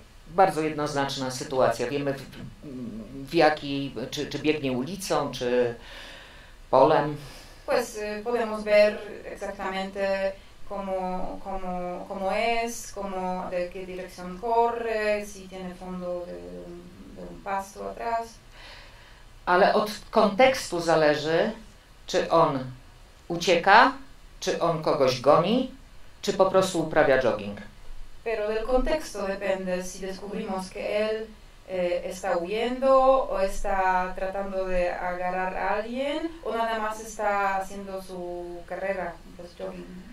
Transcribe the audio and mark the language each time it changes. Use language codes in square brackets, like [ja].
[pl] Bardzo jednoznaczna sytuacja. Wiemy, w jakiej, czy biegnie ulicą, czy polem. [es] Pues podemos ver exactamente como es, como de qué dirección corre, si tiene fondo de un pasto atrás. [pl] Ale od kontekstu zależy, czy on ucieka, czy on kogoś goni, czy po prostu uprawia jogging. [es] Pero del contexto depende si descubrimos que él está huyendo o está tratando de agarrar a alguien o nada más está haciendo su carrera, pues jogging.